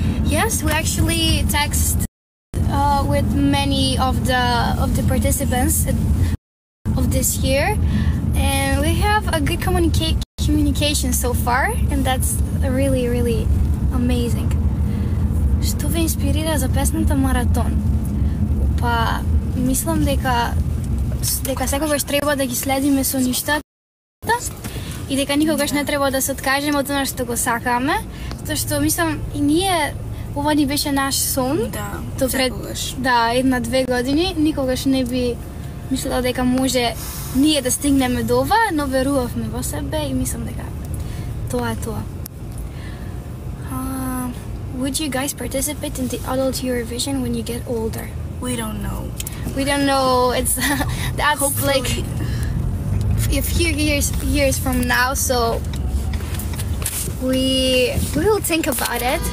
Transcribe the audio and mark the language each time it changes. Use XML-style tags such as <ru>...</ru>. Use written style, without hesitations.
<en>Yes, we actually text with many of the participants of this year, and we have a good communication so far, and that's really, really amazing.</en> <mk>Што ве инспирира за песната Маратон? Па, мислам дека секогаш треба да ги следиме со ништата и дека никогаш не треба да се откажеме од тоа што го сакаме, тоа што мислам и ние, ова ни беше наш сон. Да, то пред, секогаш. Да, една-две години, никогаш не би мислела дека може ние да стигнеме до ова, но верувавме во себе и мислам дека тоа е тоа.</mk> <en>Would you guys participate in the adult Eurovision when you get older? We don't know. We don't know. It's that's hopefully like a few years from now, so we will think about it.</en>